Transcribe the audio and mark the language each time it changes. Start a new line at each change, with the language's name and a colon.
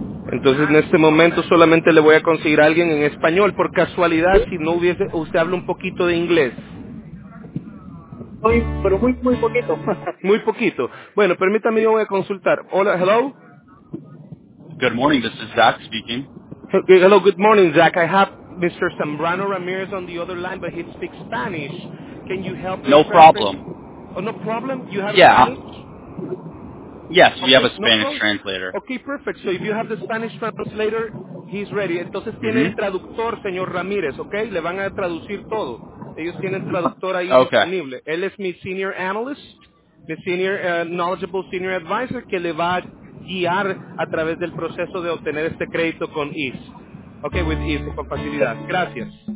Spanish: Entonces, en este momento solamente le voy a conseguir a alguien en español. Por casualidad, si no hubiese, usted habla un poquito de inglés. Muy poquito. Bueno, permítame, yo voy a consultar. Hola,
English: hello. Good morning, this is Zach speaking. Hello, good morning, Zach. I have Mr. Zambrano Ramirez on the other line, but he speaks Spanish. Can you help me? No problem. Oh, no problem? You have Yeah. Spanish? Yes, we have a Spanish translator. Okay, perfect. So if you have the Spanish translator, he's ready.
Spanish: Entonces tiene el traductor, señor Ramírez, okay? Le van a traducir todo. Ellos tienen traductor ahí disponible. Él es mi
English: senior analyst,
Spanish: mi
English: senior knowledgeable senior advisor,
Spanish: que le va a guiar a través del proceso de obtener este crédito con ease. Okay,
English: with ease,
Spanish: con facilidad. Gracias.